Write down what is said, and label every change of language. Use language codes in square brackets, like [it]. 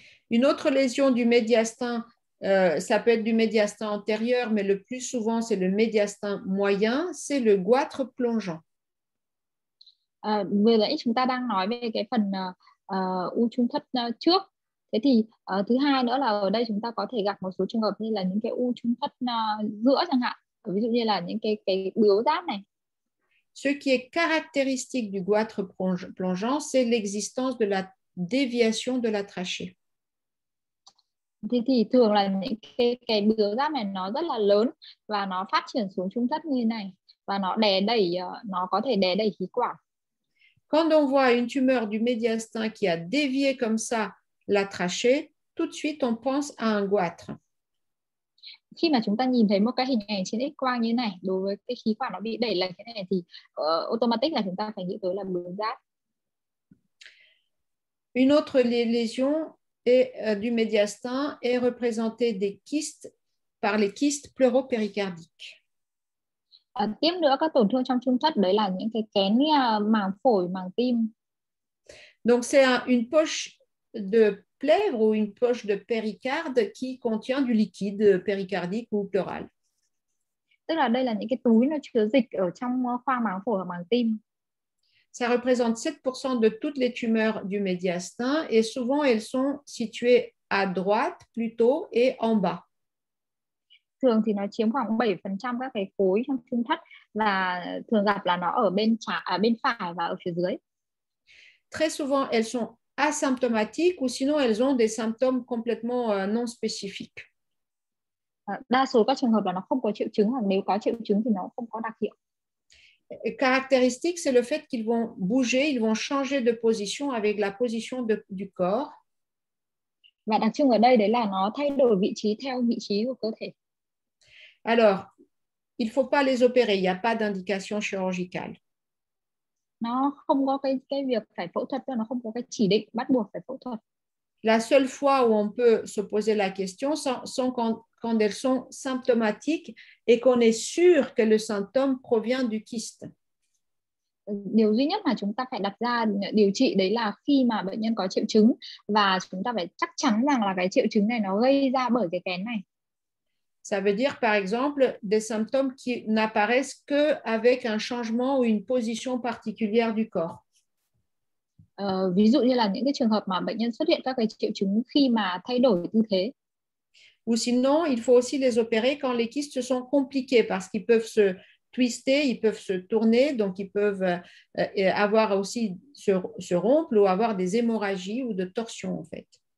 [fr] Une autre lésion du médiastin, ça peut être du médiastin antérieur mais le plus souvent c'est le médiastin moyen, c'est le goitre plongeant. [vi] Vừa nãy chúng ta đang nói về cái phần u trung thất trước. Thế thì thứ hai nữa là ở đây chúng ta có thể gặp một số trường hợp như là những cái u trung thất giữa chẳng hạn, ví dụ như là những cái bướu giáp này. [fr] Ce qui est caractéristique du goitre plongeant, c'est l'existence de la déviation de la trachée. [vi] Thì thường là những cái bướu giáp này nó rất là lớn và nó phát triển xuống trung thất như này và nó có thể đè đẩy khí quản. [fr] Quand on voit une tumeur du médiastin qui a dévié comme ça la trachée, tout de suite on pense à un goitre. [vi] Khi mà chúng ta nhìn thấy một cái hình ảnh trên X-quang như này, đối với cái khí quản nó bị đẩy lệch thế này thì automatic là chúng ta phải nghĩ tới là bướu giáp. [fr] Une autre lésion est, du médiastin est représentée des kystes par les kystes pleuropéricardiques. [vi] Tiếp nữa các tổn thương trong trung thất đấy là những cái kén như màng phổi, màng tim. [fr] Donc c'est une poche de plèvre ou une poche de péricarde qui contient du liquide péricardique ou pleural. [vi] Tức là đây là những cái túi nó chứa dịch ở trong khoang màng phổi và màng tim. [fr] Ça représente 7% de toutes les tumeurs du médiastin et souvent elles sont situées à droite plutôt et en bas. [vi] Thường thì nó chiếm khoảng 7% các cái khối trong trung thất và thường gặp là nó ở bên trái, à bên phải và ở phía dưới. [fr] Très souvent elles sont asymptomatiques ou sinon elles ont des symptômes complètement non spécifiques. [vi] Đa số các trường hợp là nó không có triệu chứng hoặc nếu có triệu chứng thì nó không có đặc hiệu. [fr] Caractéristique, c'est le fait qu'ils vont bouger, ils vont changer de position avec la position de, du corps. [vi] Và đặc trưng ở đây đấy là nó thay đổi vị trí theo vị trí của cơ thể. [fr] Alors, il ne faut pas les opérer, il n'y a pas d'indication chirurgicale. [vi] Nó không có cái việc phải phẫu thuật, nó không có cái chỉ định bắt buộc phải phẫu thuật. [fr] La seule fois où on peut se poser la question, c'est quand elles sont symptomatiques et qu'on est sûr que le symptôme provient du kyste. [vi] Điều duy nhất mà chúng ta phải đặt ra điều trị đấy là khi mà bệnh nhân có triệu chứng và chúng ta phải chắc chắn rằng là cái triệu chứng này nó gây ra bởi cái kén này. [fr] Ça veut dire, par exemple, des symptômes qui n'apparaissent qu'avec un changement ou une position particulière du corps. [vi] Ví dụ như là những cái trường hợp mà bệnh nhân xuất hiện các cái triệu chứng khi mà thay đổi tư thế. [fr] Ou sinon, il faut aussi les opérer quand les kystes sont compliqués parce qu'ils peuvent se twister, ils peuvent se tourner, donc ils peuvent avoir aussi se rompre ou avoir des hémorragies ou de torsions en fait.